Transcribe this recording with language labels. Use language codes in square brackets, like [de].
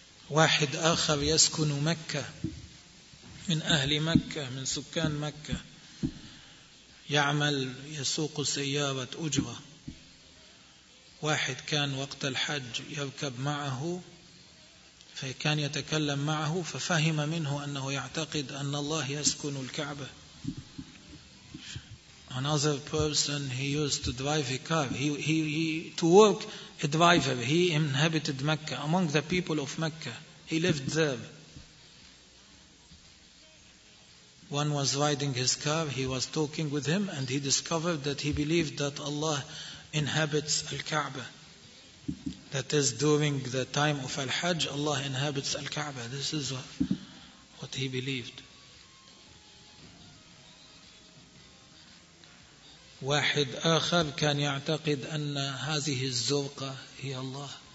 [ar] واحد آخر يسكن مكة من أهل مكة من سكان مكة يعمل يسوق سيارة أجرة. واحد كان وقت الحج يركب معه فكان يتكلم معه ففهم منه أنه يعتقد أن الله يسكن الكعبة. [en] Another person, he used to drive a car. He to work a driver. He inhabited Mecca, among the people of Mecca. He lived there. One was riding his car, he was talking with him, and he discovered that he believed that Allah inhabits Al-Ka'bah. That is, during the time of Al-Hajj, Allah inhabits Al-Ka'bah. This is what he believed. [ar] واحد آخر كان يعتقد أن هذه الزرقة هي الله.